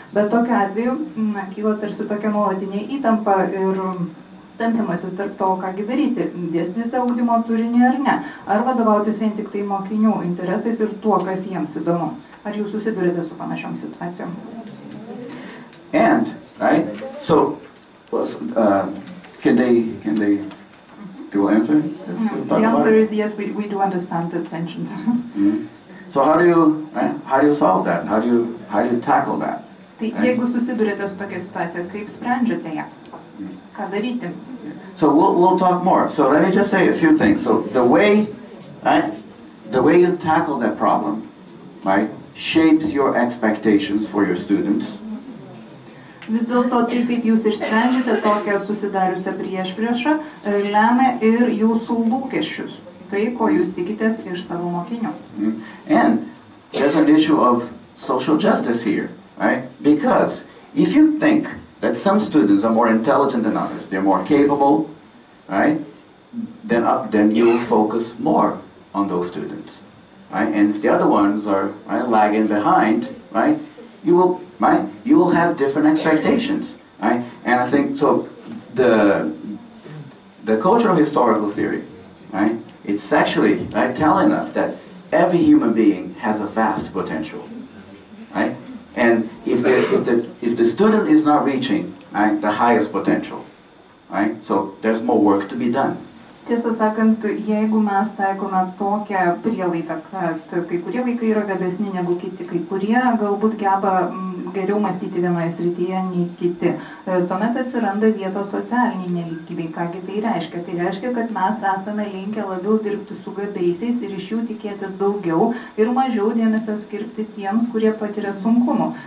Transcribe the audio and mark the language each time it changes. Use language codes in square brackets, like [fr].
[lt] Bet tokiu atveju, na, kyla tarsi tokia nuolatinė įtampa ir tampimasis tarp to, kągi daryti, dėstyti tą ugdymo turinį ar ne, ar vadovautis vien tik tai mokinių interesais ir tuo, kas jiems įdomu. Ar jūs susidurite su panašiom situacijom? [en] And, right? So, can they do you answer? The answer is yes, we do understand the tensions. So how do you solve that? How do you tackle that? [lt] Tai jeigu susidurite su tokia situacija, kaip sprendžiate ją? Ką daryti? [en] So we'll talk more. So let me just say a few things. So the way you tackle that problem, right, shapes your expectations for your students. [lt] Vis dėlto tai, kaip jūs išsprendžiate tokią susidariusią priešpriešą, lemia ir jūsų lūkesčius, tai, ko jūs tikitės iš savo mokinių. [en] And there's an issue of social justice here, right? Because if you think that some students are more intelligent than others, they're more capable, right? Then you focus more on those students, right? And if the other ones are, right, lagging behind, right? You will have different expectations, right? And I think so. The cultural historical theory, right? It's actually, right, telling us that every human being has a vast potential, right? And if the student is not reaching, right, the highest potential, right, so there's more work to be done. [lt] Tiesą sakant, jeigu mes taikome tokią prielaidą, kad kai kurie vaikai yra gabesni negu kiti, kai kurie galbūt geba geriau mąstyti vienoje srityje nei kiti, tuomet atsiranda vietos socialiniai nelygybei. Kągi tai reiškia? Tai reiškia, kad mes esame linkę labiau dirbti su gabeisiais ir iš jų tikėtis daugiau ir mažiau dėmesio skirti tiems, kurie patiria sunkumų.